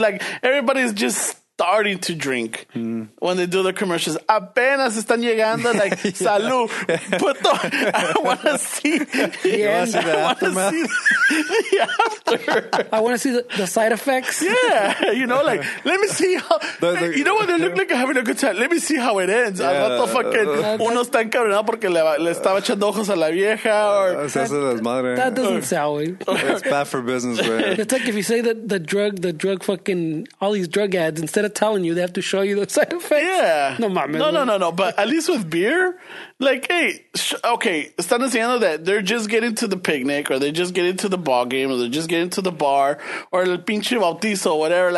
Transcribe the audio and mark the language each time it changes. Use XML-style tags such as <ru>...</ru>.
<en>Like, everybody's just starting to drink when they do the commercials.</en> <es>Apenas están llegando, like, salud. Puto,</es> <en>I want to see. I want to see the side effects. Yeah, you know, like, let me see how. You know what? They look like having a good time. Let me see how it ends. Yeah.</en> <es>Al rato fucking uno está encabronado porque le estaba echando ojos a la vieja.</es> <en>Or, that doesn't sound. It's bad for business, man. It's like if you say that the drug fucking, all these drug ads, instead of telling you, they have to show you the side effects. Yeah.</en> <es>No, mami. No.</es> <en>But at least with beer, like, hey, okay,</en> <es>están haciendo</es> <en>that they're just getting to the picnic, or they just get into the ball game, or they just get into the bar, or</en> <es>el pinche bautizo,</es> <en>whatever.</en>